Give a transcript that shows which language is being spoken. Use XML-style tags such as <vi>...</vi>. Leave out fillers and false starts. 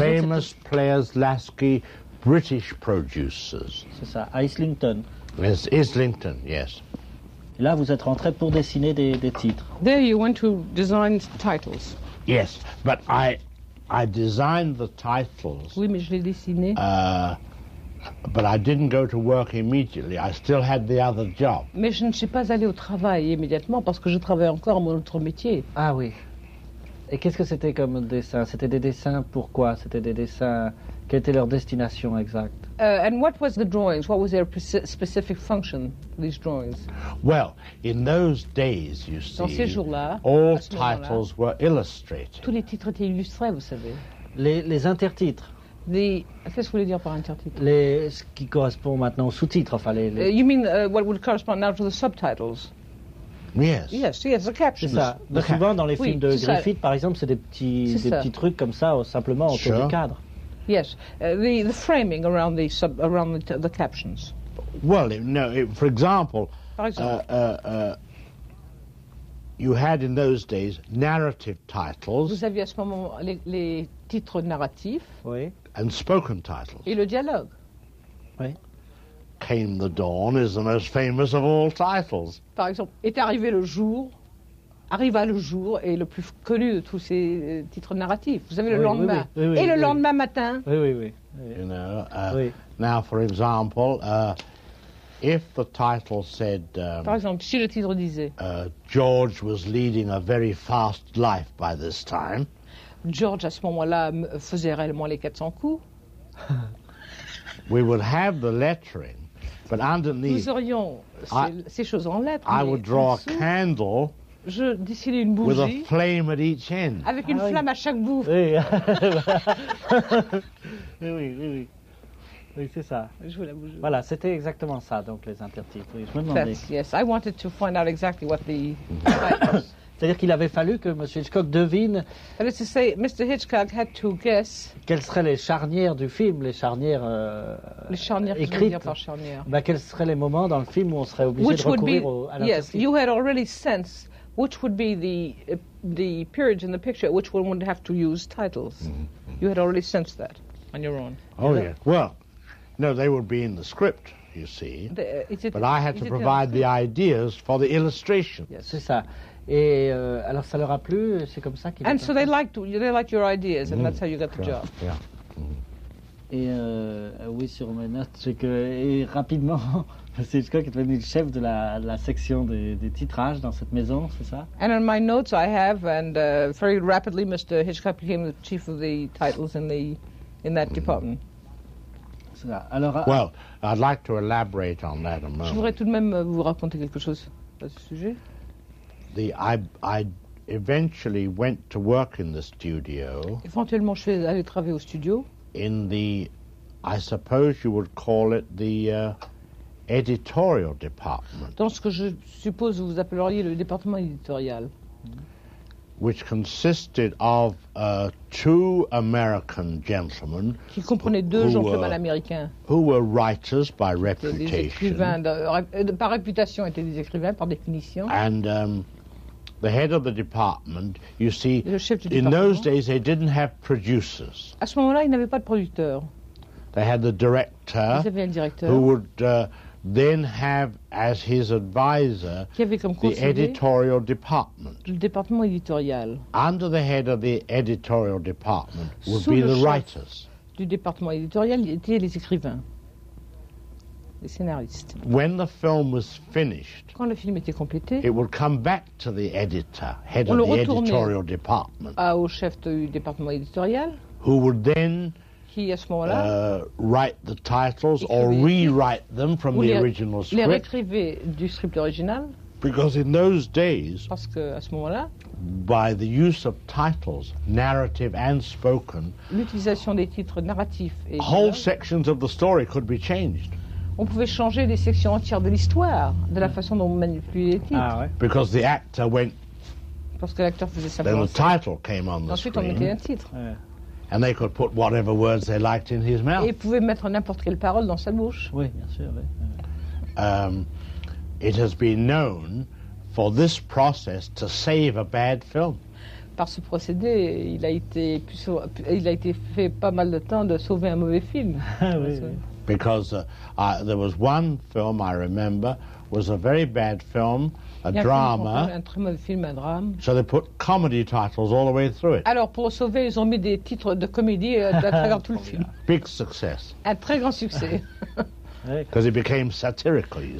<en>Famous Players Lasky, British producers.</en> <fr>C'est ça, à Islington.</fr> <en>Yes, Islington, yes.</en> <fr>Et là, vous êtes rentré pour dessiner des titres.</fr> <en>There you went to design titles. Yes, but I designed the titles.</en> <fr>Oui, mais je l'ai dessiné.</fr> <en>But I didn't go to work immediately. I still had the other job.</en> <fr>Mais je ne suis pas allé au travail immédiatement parce que je travaillais encore à mon autre métier. Ah oui. Et qu'est-ce que c'était comme dessin? C'était des dessins. Pourquoi? C'était des dessins. Quelle était leur destination exacte?</fr> <en>And what was the drawings? What was their specific function? These drawings. Well, in those days, you see,</en> <fr>dans ces jours-là,</fr> <en>all titles were illustrated.</en> <fr>Tous les titres étaient illustrés, vous savez. Les intertitres. Qu'est-ce que vous voulez dire par intertitre? Ce qui correspond maintenant aux sous-titres, enfin les.</fr> <en>You mean what would correspond now to the subtitles? Yes. Yes. Yes. The captions.</en> <fr>C'est ça. Donc souvent dans les films de Griffith, par exemple, c'est des petits trucs comme ça, simplement autour du cadre.</fr> <en>Yes. The framing around the sub around the captions. Well, no. For example.</en> <fr>Par exemple.</fr> <en>You had in those days narrative titles.</en> <fr>Vous aviez à ce moment les titres narratifs. Oui.</fr> <en>And spoken titles.</en> <fr>Et le dialogue. Oui.</fr> <en>Came the Dawn is the most famous of all titles.</en> <fr>Par exemple, est arrivé le jour. Arriva le jour est le plus connu de tous ces titres narratifs. Vous avez le lendemain. Oui, oui, oui, et le oui. lendemain matin. Oui, oui, oui. Oui.</fr> <en>You know.</en> <fr>Oui.</fr> <en>Now, for example. If the title said,</en> <fr>par exemple, si le titre disait,</fr> <en>George was leading a very fast life by this time.</en> <fr>George à ce moment-là faisait réellement les 400 coups.</fr> <en>We would have the lettering, but underneath.</en> <fr>Nous aurions ces choses en lettres.</fr> <en>I would draw a candle.</en> <fr>Je dessinais une bougie.</fr> <en>With a flame at each end.</en> <fr>Avec une flamme à chaque bout. Oui. oui. Oui, c'est ça. Je voulais bouger. Voilà, c'était exactement ça, donc les intertitres. Oui, je me demandais.</fr> <en>Yes, I wanted to find out exactly what the.</en> <fr>C'est-à-dire qu'il avait fallu que M. Hitchcock devine.</fr> <en>That is to say, Mr. Hitchcock had to guess.</en> <fr>Quelles seraient les charnières du film, les charnières écrites. Les charnières, écrites. Je veux dire par charnières. Ben, quels seraient les moments dans le film où on serait obligé</fr> <en>which</en> <fr>de recourir</fr> <en>be,</en> <fr>au, à l'intertitre.</fr> <en>Yes, you had already sensed which would be the periods in the picture, which one would have to use titles. Mm-hmm. You had already sensed that on your own. Oh, yeah. Well. No, they would be in the script, you see. But I had to provide the ideas for the illustration. Yes,</en> <fr>c'est ça. Et alors ça leur a plu, c'est comme ça qu'ils.</fr> <en>And so they liked your ideas, and that's how you got the job. Yeah.</en> <fr>Et oui, sur mes notes, c'est que et rapidement, c'est Hitchcock qui est devenu le chef de la section des titrages dans cette maison, c'est ça.</fr> <en>And in my notes, I have, and very rapidly, Mr. Hitchcock became the chief of the titles in that department.</en> <fr>Alors,</fr> <en>well, I'd like to elaborate on that a moment.</en> <fr>Je voudrais tout de même vous raconter quelque chose à ce sujet.</fr> <en>I eventually went to work in the studio.</en> <fr>Éventuellement, je suis allé travailler au studio.</fr> <en>In the, I suppose you would call it the editorial department.</en> <fr>Dans ce que je suppose vous appelleriez le département éditorial.</fr> <en>Which consisted of two American gentlemen</en> <fr>qui comprenait deux gentlemen américains</fr> <en>who were writers by reputation.</en> <fr>Des écrivains par réputation étaient des écrivains par définition.</fr> <en>And the head of the department, you see,</en> <fr>le chef du département,</fr> <en>in those days they didn't have producers.</en> <fr>À ce moment-là, ils n'avaient pas de producteurs.</fr> <en>They had the director.</en> <fr>Ils avaient un directeur</fr> <en>who would then have as his advisor the editorial department.</en> <fr>Le département éditorial.</fr> <en>Under the head of the editorial department would be the writers.</en> <fr>Du département éditorial étaient les écrivains, les scénaristes.</fr> <en>When the film was finished,</en> <fr>quand le film était complété,</fr> <en>it would come back to the editor, head of the editorial department.</en> <fr>Au chef du département éditorial.</fr> <en>Who would then</en> <fr>qui, à ce moment-là,</fr> <en>write the titles or rewrite them from the original script.</en> <fr>Les réécrivait du script original.</fr> <en>Because in those days,</en> <fr>parce que à ce moment-là,</fr> <en>by the use of titles, narrative and spoken,</en> <fr>l'utilisation des titres narratifs et</fr> <en>whole sections of the story could be changed.</en> <fr>On pouvait changer des sections entières de l'histoire de la façon dont on manipulait les titres. Ah, ouais.</fr> <en>Because the actor went.</en> <fr>Parce que l'acteur faisait sa.</fr> <en>Then the title came on the</en> <fr>ensuite,</fr> <en>screen.</en> <fr>Ensuite, on mettait un titre. Ouais.</fr> <en>And they could put whatever words they liked in his mouth.</en> <fr>Et ils pouvaient mettre n'importe quelle parole dans sa bouche. Oui, bien sûr. Oui.</fr> <en>It has been known for this process to save a bad film.</en> <fr>Par ce procédé, il a été fait pas mal de temps de sauver un mauvais film. Ah, oui.</fr> <en>Because there was one film I remember was a very bad film. A drama.</en> <fr>Un très mauvais film, un drame.</fr> <en>So they put comedy titles all the way through it.</en> <fr>Alors pour sauver, ils ont mis des titres de comédie à travers tout le film.</fr> <en>Big success.</en> <fr>Un très grand succès.</fr> <en>Because it became satirical, you see.</en>